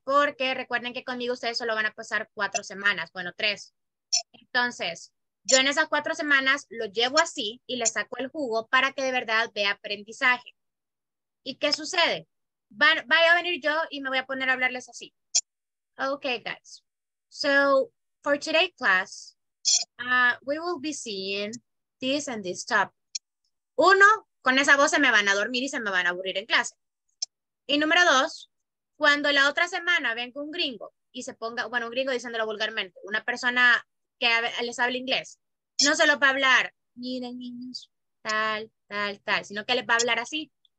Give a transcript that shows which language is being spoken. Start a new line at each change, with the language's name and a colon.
Spanish: Porque recuerden que conmigo ustedes solo van a pasar 4 semanas, bueno, 3. Entonces, yo en esas 4 semanas lo llevo así y le saco el jugo para que de verdad vea aprendizaje. ¿Y qué sucede? Voy a venir yo y me voy a poner a hablarles así.
English: Okay, guys. So, for today's class, we will be seeing this and this topic.
Spanish: Uno, con esa voz se me van a dormir y se me van a aburrir en clase. Y número dos, cuando la otra semana venga un gringo y se ponga, bueno, un gringo diciéndolo vulgarmente, una persona que les habla inglés, no solo para hablar, miren niños, tal, tal, tal, sino que les va a hablar así.